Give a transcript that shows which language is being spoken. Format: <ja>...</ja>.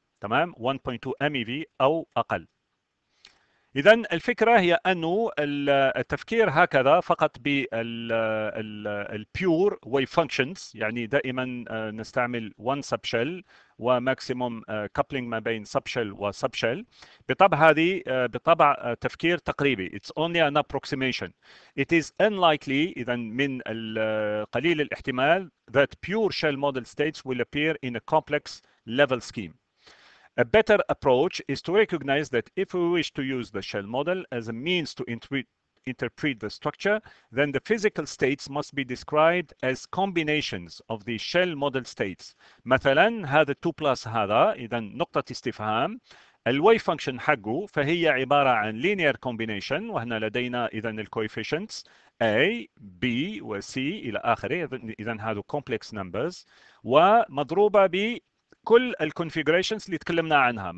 <ar>تمام، 1.2 أميفي أو أقل. إذن الفكرة هي أنه التفكير هكذا فقط بالـ pure wave functions، يعني دائما نستعمل one subshell وماكسيموم coupling ما بين subshell وsubshell، بطبع هذه بطبع تفكير تقريبي.</ar> <en>It's only an approximation. It is unlikely،</en> <ar>إذن من قليل الاحتمال</ar> <en>that pure shell model states will appear in a complex level scheme. A better approach is to recognize that if we wish to use the shell model as a means to interpret the structure, then the physical states must be described as combinations of the shell model states.</en> <ar>مثلا هذا 2 بلس هذا، إذا نقطة استفهام الويف فانكشن حقه، فهي عبارة عن linear combination، وهنا لدينا إذا الكويفيشنتس A B و C إلى آخره، إذا هذا complex numbers، ومضروبة ب كل الكونفيجريشنز اللي تكلمنا عنها.</ar>